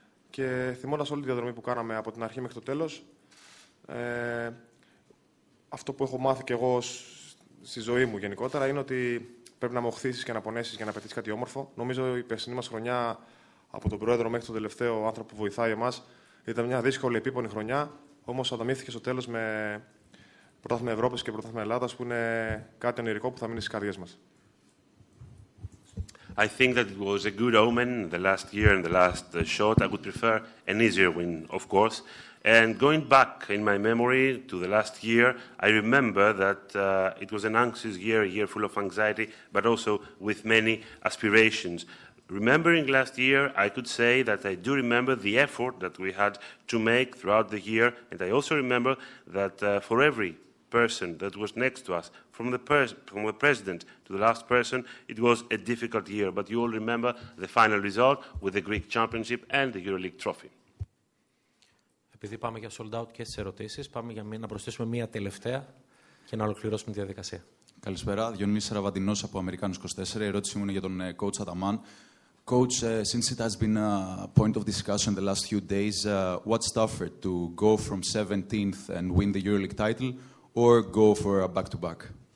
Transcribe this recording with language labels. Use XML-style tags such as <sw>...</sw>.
<el>Και θυμώντας όλη τη διαδρομή που κάναμε από την αρχή μέχρι το τέλος, αυτό που έχω μάθει και εγώ στη ζωή μου γενικότερα, είναι ότι πρέπει να μοχθήσεις και να πονέσεις για να πετύχεις κάτι όμορφο. Νομίζω η περσινή μας χρονιά, από τον πρόεδρο μέχρι τον τελευταίο άνθρωπο που βοηθάει εμάς, ήταν μια δύσκολη, επίπονη χρονιά, όμως ανταμείφθηκε στο τέλος με Πρωτάθλημα Ευρώπης και Πρωτάθλημα Ελλάδας, που είναι κάτι ονειρικό που θα μείνει στις καρδιές μας.</el> <en>I think that it was a good omen the last year and the last shot. I would prefer an easier win, of course. And going back in my memory to the last year, I remember that it was an anxious year, a year full of anxiety, but also with many aspirations. Remembering last year, I could say that I do remember the effort that we had to make throughout the year, and I also remember that for every person that was next to us, from the president to the last person, it was a difficult year. But you all remember the final result with the Greek Championship and the EuroLeague Trophy.</en> <el>Επειδή πάμε για sold out και στις ερωτήσεις, πάμε για να προσθέσουμε μία τελευταία και να ολοκληρώσουμε τη διαδικασία. Καλησπέρα, Διονύσης Ραβαντινός από Αμερικάνους 24. Η ερώτησή μου είναι για τον coach Αταμάν.</el> <en>Coach, since it has been a point of discussion the last few days, what's tougher, to go from 17th and win the EuroLeague title, or go for a back-to-back?</en>